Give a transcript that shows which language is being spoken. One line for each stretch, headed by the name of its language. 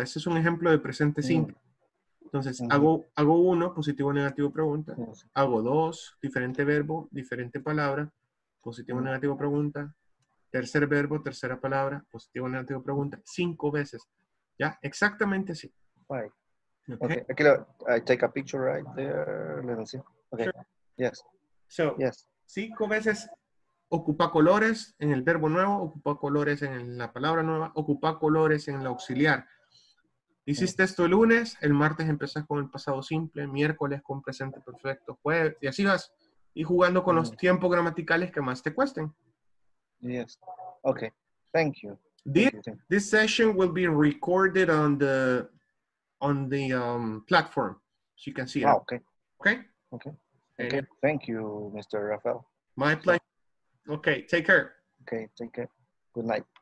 Spanish: Ese es un ejemplo de presente simple. Entonces, hago 1, positivo, negativo, pregunta, hago 2, diferente verbo, diferente palabra, positivo, negativo, pregunta, tercer verbo, tercera palabra, positivo, negativo, pregunta, 5 veces, ¿ya? Exactamente así.
English: Right. Okay. I take a picture right there, let me see. Okay, sure. Yes. So, yes.
Spanish: 5 veces ocupa colores en el verbo nuevo, ocupa colores en la palabra nueva, ocupa colores en la auxiliar. Hiciste esto el lunes, el martes empezás con el pasado simple, miércoles con presente perfecto, jueves, y así vas. Y jugando con los tiempos gramaticales que más te cuesten.
English: Yes. Okay. Thank you. This session will be recorded on the platform. So you can see it. Oh, okay. Okay? Okay. Okay, thank you, Mr. Rafael. My pleasure. Okay, take care. Okay, take care. Good night.